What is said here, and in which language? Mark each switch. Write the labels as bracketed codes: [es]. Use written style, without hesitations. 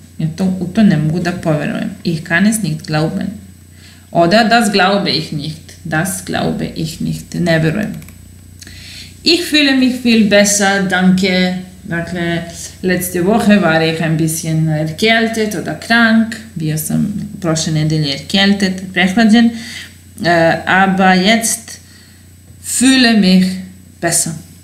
[sr] Ja to, u to ne mogu da povjerujem. [de] Ich kann es nicht glauben. Oder das glaube ich nicht. Das glaube ich nicht. [sr] Ne vjerujem. [de] Ich fühle mich viel besser, danke. Dakle, letzte Woche war ich ein bisschen erkältet oder krank. [sr] Bio sam prošle nedelje erkältet, prehlađen. [de] Aber jetzt fühle mich besser.